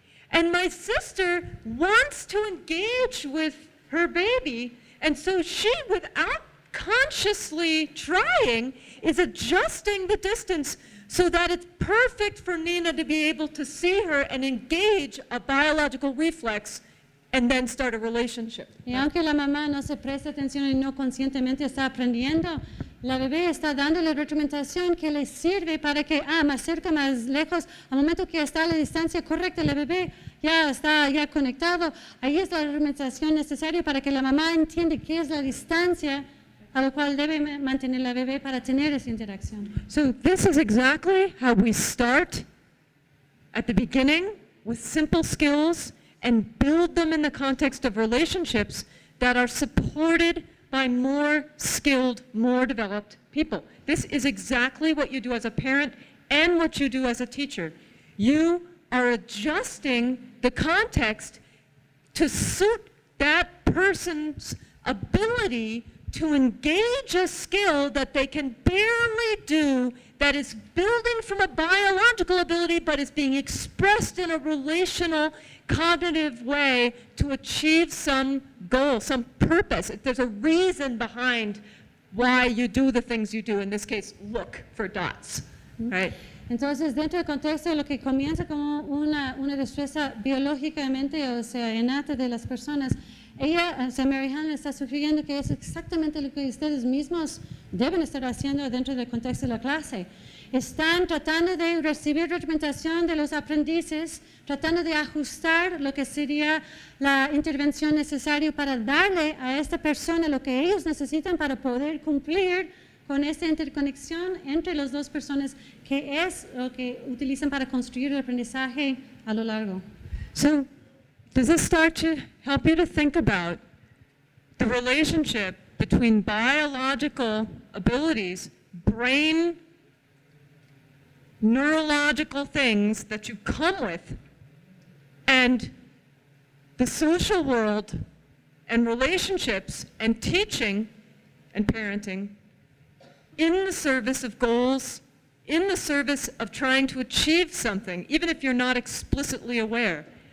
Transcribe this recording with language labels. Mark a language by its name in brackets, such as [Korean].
[English] And my sister wants to engage with her baby, and so she, without consciously trying, is adjusting the distance so that it's perfect for Nina to be able to see her and engage a biological reflex and then start a relationship. [Spanish] Y aunque la mamá no se presta atención y no conscientemente está aprendiendo, la bebé está dando la retroalimentación que le sirve para que, ah, más cerca, más lejos, al momento que está a la distancia correcta, la bebé ya está ya conectado. Ahí es la retroalimentación necesaria para que la mamá entienda qué es la distancia a la cual debe mantener la bebé para tener esa interacción. [English] So this is exactly how we start at the beginning with simple skills and build them in the context of relationships that are supported by more skilled, more developed people. This is exactly what you do as a parent and what you do as a teacher. You are adjusting the context to suit that person's ability to engage a skill that they can barely do, that is building from a biological ability but is being expressed in a relational, cognitive way to achieve some goal, some purpose. There's a reason behind why you do the things you do. In this case, look for dots, right? [Spanish] Entonces, dentro del contexto de lo que comienza como una destreza biológicamente, o sea, innata de las personas, ella, o sea, Mary Helen, está sugiriendo que es exactamente lo que ustedes mismos deben estar haciendo dentro del contexto de la clase. Están tratando de recibir retroalimentación de los aprendices, tratando de ajustar lo que sería la intervención necesaria para darle a esta persona lo que ellos necesitan para poder cumplir con esta interconexión entre las dos personas, que es lo que utilizan para construir el aprendizaje a lo largo. [English] So, does this start to help you to think about the relationship between biological abilities, brain, neurological things that you come with, and the social world and relationships and teaching and parenting in the service of goals, in the service of trying to achieve something, even if you're not explicitly aware?